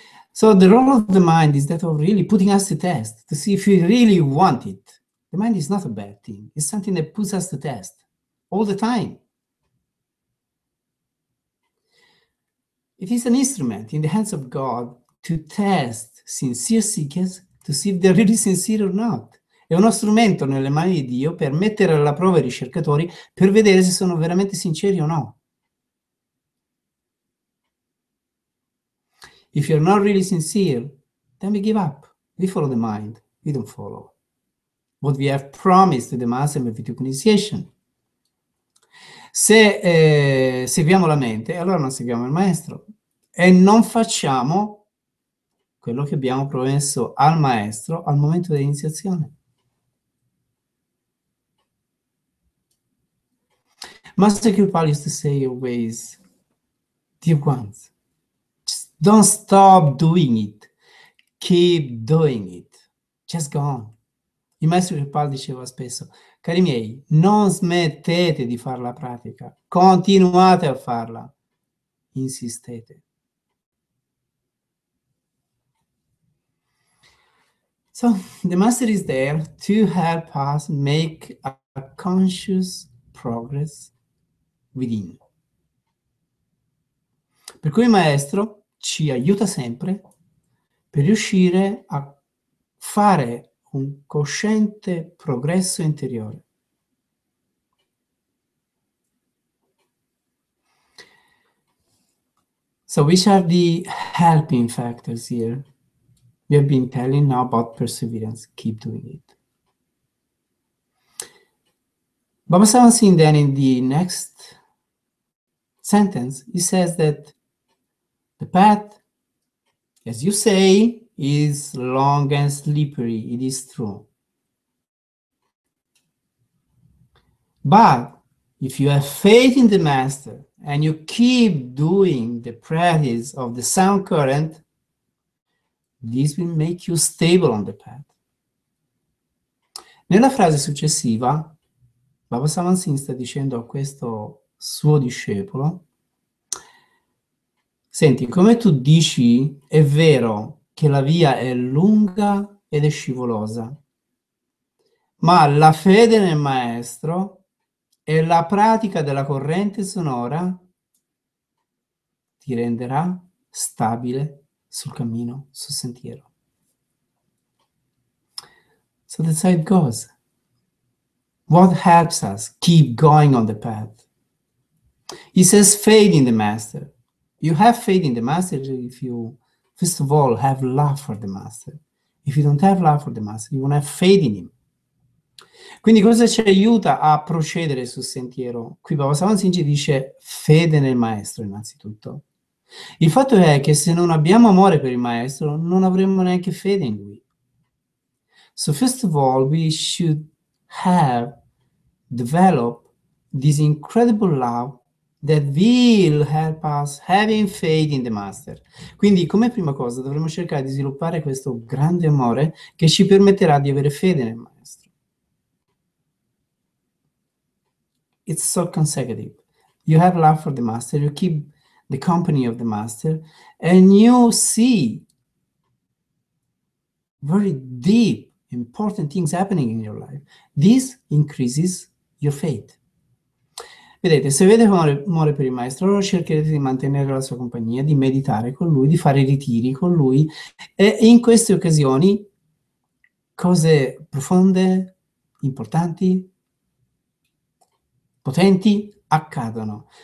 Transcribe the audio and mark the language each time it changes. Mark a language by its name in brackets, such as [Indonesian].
[English] So the role of the mind is that of really putting us to test, to see if we really want it. The mind is not a bad thing. It's something that puts us to test all the time. It is an instrument in the hands of God to test sincere seekers, to see if they're really sincere or not. [Italian] È uno strumento nelle mani di Dio per mettere alla prova i ricercatori per vedere se sono veramente sinceri o no. [English] If you're not really sincere, then we give up. We follow the mind. We don't follow what we have promised to the master and the initiation. [Italian] Se seguiamo la mente, allora non seguiamo il maestro. E non facciamo quello che abbiamo promesso al maestro al momento dell'iniziazione. [English] Master Kirpal used to say always, dear ones, don't stop doing it. Keep doing it. Just go on. [Italian] Il maestro Kripal diceva spesso, cari miei, non smettete di fare la pratica, continuate a farla, insistete. [English] So, the master is there to help us make a conscious progress within. [Italian] Per cui il maestro ci aiuta sempre per riuscire a fare un cosciente progresso interiore. [English] So which are the helping factors here? We have been telling now about perseverance. Keep doing it. Baba Sawan Singh then in the next sentence, he says that the path, as you say, is long and slippery. It is true. But if you have faith in the master and you keep doing the practice of the sound current, this will make you stable on the path. [Italian] Nella frase successiva, Baba Sawan Singh sta dicendo a questo suo discepolo, senti, come tu dici, è vero che la via è lunga ed è scivolosa, ma la fede nel maestro e la pratica della corrente sonora ti renderà stabile sul cammino, sul sentiero. [English] So the side goes. What helps us keep going on the path? He says faith in the master. You have faith in the master if you, first of all, have love for the master. If you don't have love for the master, you won't have faith in him. [Italian] Quindi cosa ci aiuta a procedere sul sentiero? Qui Baba Sawan Singh ci dice fede nel maestro innanzitutto. Il fatto è che se non abbiamo amore per il maestro, non avremo neanche fede in lui. [English] So first of all, we should have developed this incredible love that will help us having faith in the master. [Italian] Quindi, come prima cosa, dovremo cercare di sviluppare questo grande amore che ci permetterà di avere fede nel maestro. [English] It's so consecutive. You have love for the master, you keep the company of the master, and you see very deep, important things happening in your life. This increases your faith. [Italian] Vedete, se avete amore per il maestro, allora cercherete di mantenere la sua compagnia, di meditare con lui, di fare ritiri con lui, e in queste occasioni cose profonde, importanti, potenti, accadono.